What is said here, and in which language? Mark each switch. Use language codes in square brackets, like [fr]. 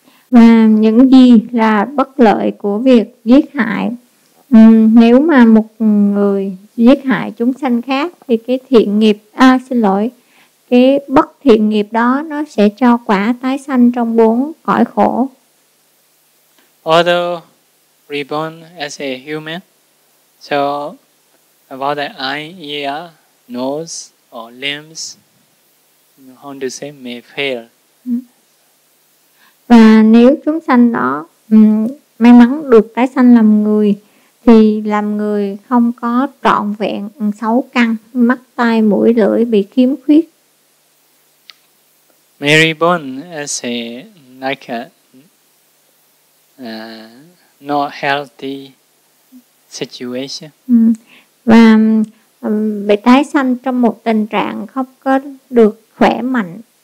[vi] Và những gì là bất lợi của việc giết hại? Nếu mà một người giết hại chúng sanh khác thì cái thiện nghiệp, cái bất thiện nghiệp đó nó sẽ cho quả tái sanh trong bốn cõi khổ. [en] Although reborn as a human, so about the eye, ear, nose or limbs, how to say, may fail. [vi] Và nếu chúng sanh đó may mắn được tái sanh làm người, thì làm người không có trọn vẹn sáu căn, mắt, tai, mũi, lưỡi bị khiếm khuyết. [en] May reborn as a, like a not healthy situation. [vi] Và bị tái sanh trong một tình trạng không có được khỏe mạnh.